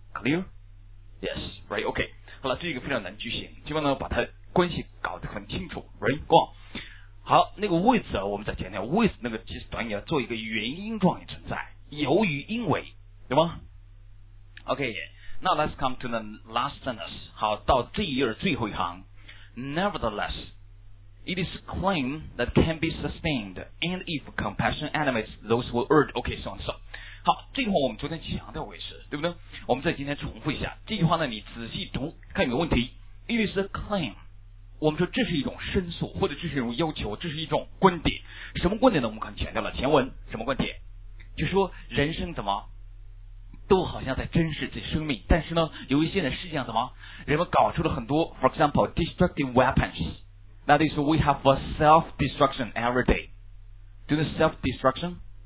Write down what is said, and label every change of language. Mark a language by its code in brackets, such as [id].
[en] Clear? Yes, right? OK. [zh] 好了，这是一个非常难句型，希望呢把它关系搞得很清楚。 [en] Right? Go on. [zh] 好，那个 with 啊，我们再强调 with 那个介词短语啊，做一个原因状语存在，由于、因为，对吗 ？OK. [en] Now let's come to the last sentence. [zh] 好，到这一页最后一行。 [en] Nevertheless. It is a claim that can be sustained, and if compassion animates those who urge, okay, so on so. [zh] 好，这句话我们昨天强调过一次，对不对？我们再今天重复一下这句话呢，你仔细读看有没有问题。 [en] It is a claim. [zh] 我们说这是一种申诉，或者这是一种要求，这是一种观点。什么观点呢？我们刚强调了前文什么观点？就说人生怎么都好像在珍视自己生命，但是呢，由于现在世界上怎么人们搞出了很多 ， [en] for example, destructive weapons. That is, we have a self-destruction every day. Do you know self-destruction?